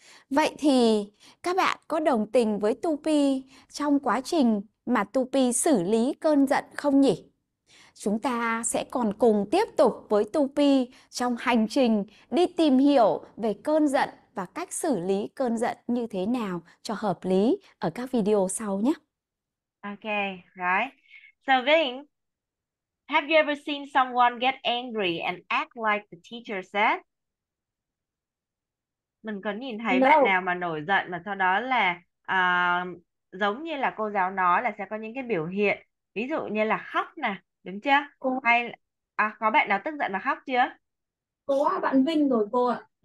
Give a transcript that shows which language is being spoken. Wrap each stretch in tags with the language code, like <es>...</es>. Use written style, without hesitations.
<vi>Vậy thì các bạn có đồng tình với Tupi trong quá trình mà Tupi xử lý cơn giận không nhỉ? Chúng ta sẽ còn cùng tiếp tục với Tupi trong hành trình đi tìm hiểu về cơn giận và cách xử lý cơn giận như thế nào cho hợp lý ở các video sau nhé.</vi> <en>Okay, right. So Vin, have you ever seen someone get angry and act like the teacher said?</en> <vi>Mình có nhìn thấy bạn nào mà nổi giận mà sau đó là giống như là cô giáo nói là sẽ có những cái biểu hiện, ví dụ như là khóc nè, đúng chưa? Hay à, có bạn nào tức giận và khóc chưa? Có bạn Vinh rồi cô ạ.</vi>